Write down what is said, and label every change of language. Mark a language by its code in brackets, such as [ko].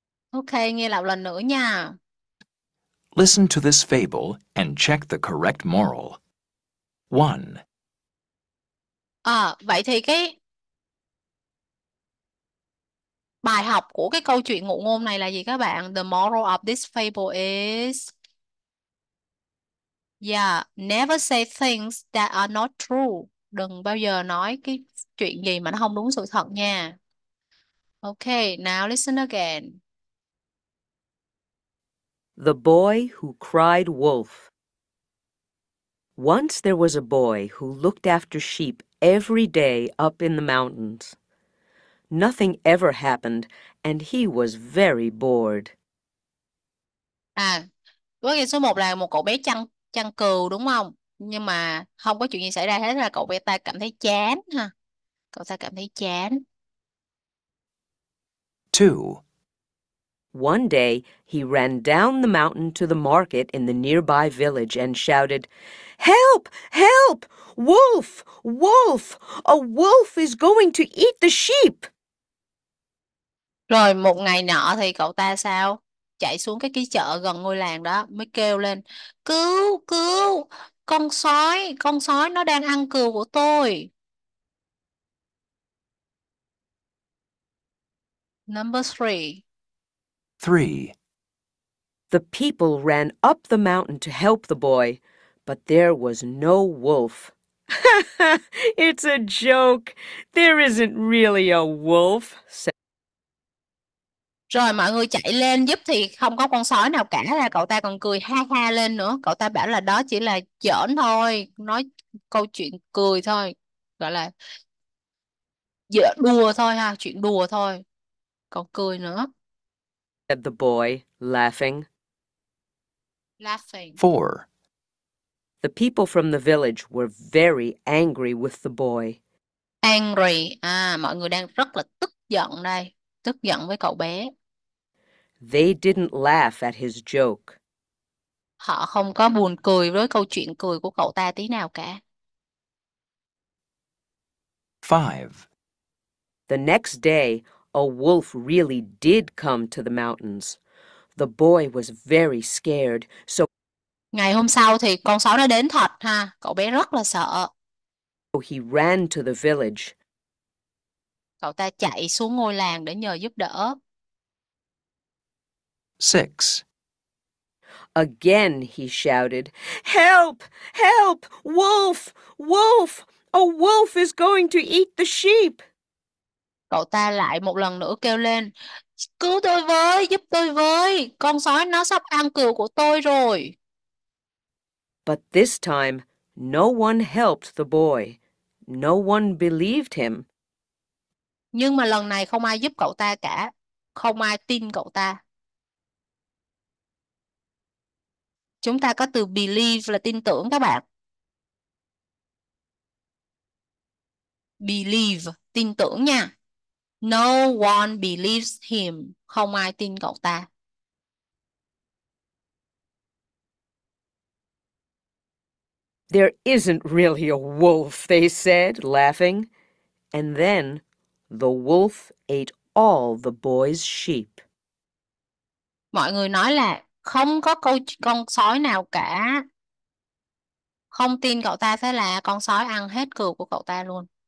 [vi] Ok, nghe lại lần nữa nha. [en] Listen to this fable and check the correct moral. 1. [vi] À, vậy thì cái bài học của cái câu chuyện ngụ ngôn này là gì các bạn? [en] The moral of this fable is never say things that are not true. [vi] Đừng bao giờ nói cái chuyện gì mà nó không đúng sự thật nha. [en] Ok, now listen again. The boy who cried wolf. Once there was a boy who looked after sheep every day up in the mountains. Nothing ever happened, and he was very bored. [vi] À, với cái số 1 là một cậu bé chăn chăn cừu đúng không? Nhưng mà không có chuyện gì xảy ra hết, là cậu bé ta cảm thấy chán ha. Cậu ta cảm thấy chán. [en] 2. One day, he ran down the mountain to the market in the nearby village and shouted, "Help! Help! Wolf! Wolf! A wolf is going to eat the sheep!" [vi] Rồi một ngày nọ thì cậu ta sao? Chạy xuống cái chợ gần ngôi làng đó mới kêu lên, "Cứu! Cứu! Con sói nó đang ăn cừu của tôi." [en] Number three. 3. The people ran up the mountain to help the boy, but there was no wolf. "It's a joke. There isn't really a wolf," said. [vi] Rồi mọi người chạy lên giúp thì không có con sói nào cả, là cậu ta còn cười ha ha lên nữa. Cậu ta bảo là đó chỉ là giỡn thôi, nói câu chuyện cười thôi, gọi là giỡn đùa thôi ha, chuyện đùa thôi. Còn cười nữa. [en] Said the boy, laughing. 4. The people from the village were very angry with the boy. Angry. [vi] À, mọi người đang rất là tức giận đây. Tức giận với cậu bé. [en] They didn't laugh at his joke. [vi] Họ không có buồn cười với câu chuyện cười của cậu ta tí nào cả. [en] 5. The next day, a wolf really did come to the mountains. The boy was very scared, so [vi] Ngày hôm sau thì con sói nó đến thật ha, cậu bé rất là sợ. [en] he ran to the village. [vi] Cậu ta chạy xuống ngôi làng để nhờ giúp đỡ. [en] 6. Again he shouted, "Help! Help! Wolf! Wolf! A wolf is going to eat the sheep!" [vi] Cậu ta lại một lần nữa kêu lên, "Cứu tôi với, giúp tôi với, con sói nó sắp ăn cừu của tôi rồi." [en] But this time, no one helped the boy. No one believed him. [vi] Nhưng mà lần này không ai giúp cậu ta cả, không ai tin cậu ta. Chúng ta có từ believe là tin tưởng các bạn. [en] Believe, [vi] tin tưởng nha. [en] No one believes him. [vi] Không ai tin cậu ta. [en] "There isn't really a wolf," they said, laughing. And then the wolf ate all the boy's sheep. [vi] Mọi người nói là không có câu con sói nào cả. Không tin cậu ta, thế là con sói ăn hết cừu của cậu ta luôn.